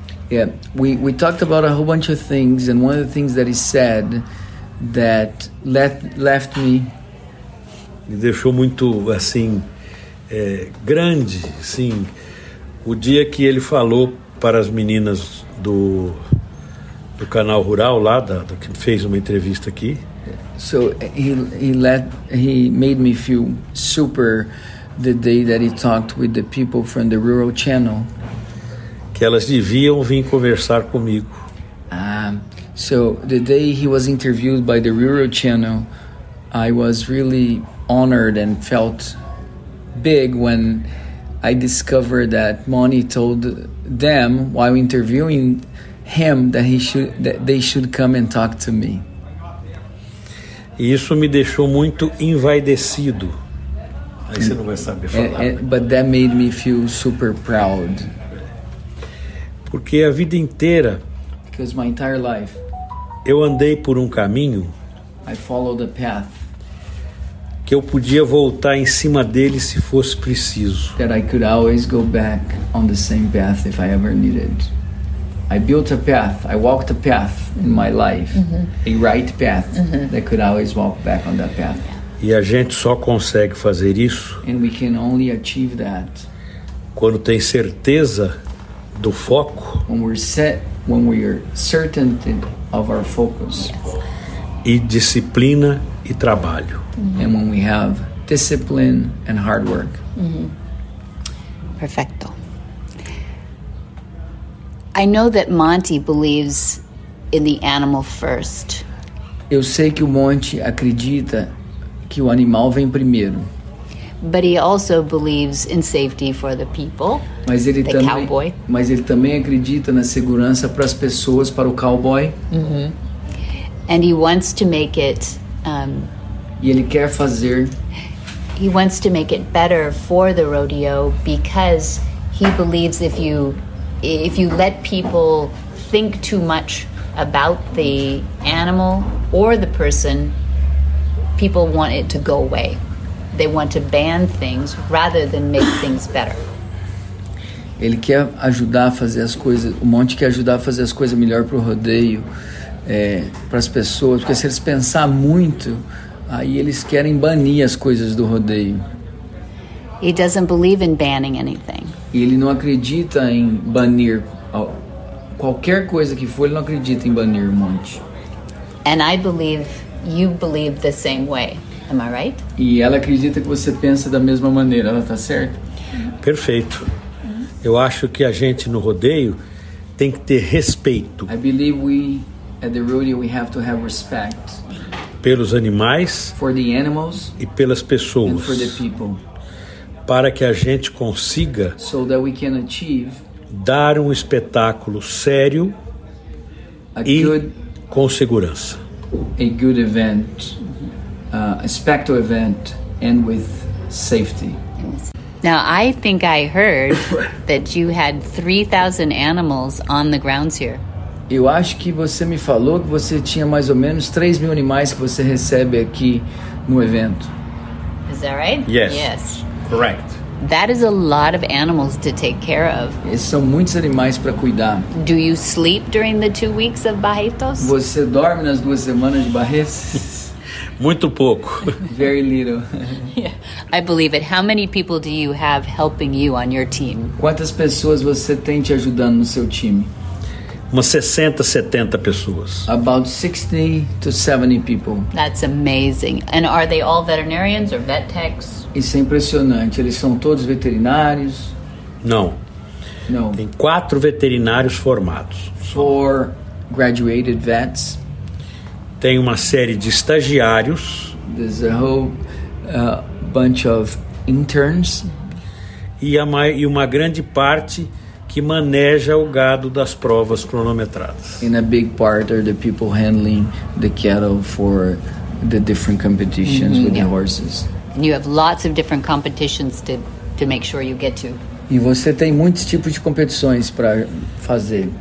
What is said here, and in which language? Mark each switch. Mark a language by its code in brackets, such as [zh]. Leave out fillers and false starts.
[en] Yeah, we talked about a whole bunch of things, and one of the things that he said that left me. [pt] Me deixou muito assim. Grande, sim. O dia que ele falou para as meninas do canal rural lá, que fez uma entrevista aqui. [en] So he made me feel super the day that he talked with the people from the rural channel. [pt] Que elas deviam vir conversar comigo. [en] So the day he was interviewed by the rural channel, I was really honored and felt big when I discovered that Monty told them while interviewing him that they should come and talk to me. [pt] Isso me deixou muito envaidecido. Aí você não vai saber falar. [en] But that made me feel super proud. [pt] Porque a vida inteira, [en] because my entire life, [pt] eu andei por um caminho, [en] I followed a path, [pt] que eu podia voltar em cima dele se fosse preciso. [en] That I could always go back on the same path if I ever needed. I built a path, I walked a path in my life, mm-hmm. a right path, mm-hmm. that could always walk back on that path. [pt] E a gente só consegue fazer isso [en] and we can only achieve that [pt] quando tem certeza do foco. [en] When we're set, when we are certain of our focus. [pt] Yes. E disciplina e trabalho. Mm-hmm. [en] And when we have discipline and hard work. [pt] Mm-hmm. Perfecto. [en] I know that Monty believes in the animal first. [pt] Eu sei que o Monty acredita que o animal vem primeiro. [en] But he also believes in safety for the people, [pt] mas ele [en] the [pt] também, [en] cowboy. [pt] Mas ele também acredita na segurança para as pessoas, para o cowboy. [en] Mm-hmm. And he wants to make it... [pt] E ele quer fazer... [en] He wants to make it better for the rodeo because he believes if you let people think too much about the animal or the person, people want it to go away. They want to ban things rather than make things better. [pt] Ele quer ajudar a fazer as coisas, o Monte quer ajudar a fazer as coisas melhor para o rodeio, para as pessoas, porque se eles pensar muito, aí eles querem banir as coisas do rodeio. [en] He doesn't believe in banning anything. [pt] E ele não acredita em banir qualquer coisa que for, ele não acredita em banir o monte. [en] And I believe you believe the same way. Am I right? [pt] E ela acredita que você pensa da mesma maneira, ela tá certa? Perfeito. Mm-hmm. Eu acho que a gente no rodeio tem que ter respeito. [en] I believe we at the rodeo we have to have respect. [pt] Pelos animais [en] for the animals, [pt] e pelas pessoas [en] and for the people. [pt] Para que a gente consiga [en] so that we can achieve [pt] dar um espetáculo sério [en] a e good, [pt] com segurança [en] a good event a spectacle event and with safety. Now I think I heard that you had 3,000 animals on the grounds here. [pt] Eu acho que você me falou que você tinha mais ou menos 3 mil animais que você recebe aqui no evento. [en] Is that right? Yes. Yes. Correct. That is a lot of animals to take care of. [pt] Esses são muitos animais para cuidar. [en] Do you sleep during the 2 weeks of Barretos? [pt] Você dorme nas 2 semanas de Barretos? Muito pouco. [en] Very little. Yeah, I believe it. How many people do you have helping you on your team? [pt] Quantas pessoas você tem te ajudando no seu time? Umas 60, 70 pessoas. [en] About 60 to 70 people. That's amazing. And are they all veterinarians or vet techs? [pt] Isso é impressionante. Eles são todos veterinários? Não. Não. Tem 4 veterinários formados. [en] 4 graduated vets. [pt] Tem uma série de estagiários. [en] There's a whole bunch of interns. [pt] E uma grande parte... que maneja o gado das provas cronometradas. [en] In a big part are the people handling the cattle for the different competitions mm-hmm. with the horses. And you have lots of different competitions to make sure you get to. [pt] E você tem muitos tipos de competições para fazer.